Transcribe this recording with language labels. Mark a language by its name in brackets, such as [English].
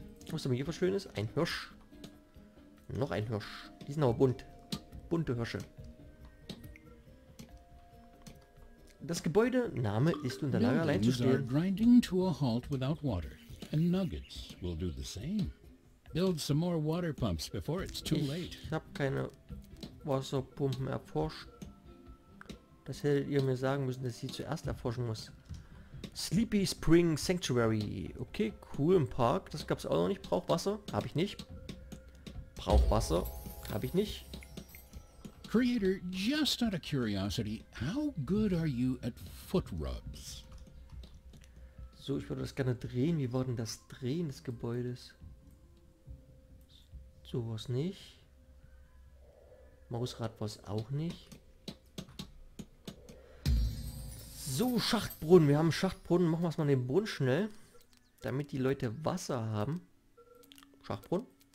[German] Was aber hier was schön ist? Ein Hirsch. Noch ein Hirsch. Die sind aber bunt. Bunte Hirsche. Das Gebäude Name ist unter Lager allein zu stehen. [English] Grinding to a halt without water. And Nuggets will do the same. Build some more water pumps before it's too late. [German] Ich hab keine Wasserpumpen erforscht. Das hättet ihr mir sagen müssen, dass sie zuerst erforschen muss. Sleepy Spring Sanctuary. Okay, cool, im Park. Das gab es auch noch nicht. Braucht Wasser. Habe ich nicht. Rauchwasser habe ich nicht. [English] Creator, just out of curiosity, how good are you at foot rubs? [German] So, ich würde das gerne drehen. Wie war denn das Drehen des Gebäudes? Sowas nicht. Mausrad war es auch nicht. So, Schachtbrunnen. Wir haben Schachtbrunnen. Machen wir es mal in den Brunnen schnell, damit die Leute Wasser haben. Schachtbrunnen.